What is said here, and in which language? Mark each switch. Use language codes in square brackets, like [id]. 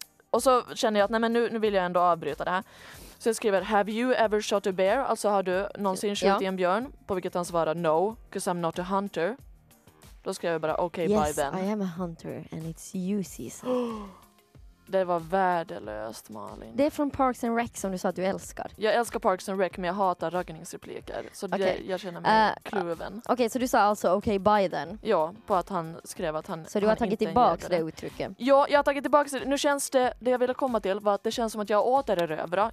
[sv] Och så känner jag att nej, men nu vill jag ändå avbryta det här. Så jag skriver, [en] have you ever shot a bear? [sv] Alltså har du någonsin skjutit en björn? På vilket han svarar, [en] no, because I'm not a hunter. [sv] Då skriver jag bara, okay, [en] yes, bye then. Yes, I am a hunter and it's you season. [sv] Det var värdelöst, Malin. Det är från Parks and Rec som du sa att du älskar. Jag älskar Parks and Rec, men jag hatar raggningsrepliker. Så okay. Jag känner mig kluven. Okej, okay, så du sa alltså okej, [en] okay, bye then? [sv] Ja, på att han skrev att han inte så du har tagit tillbaka det uttrycket? Ja, jag har tagit tillbaka det. Nu känns det jag ville komma till var att det känns som att jag återerövrar.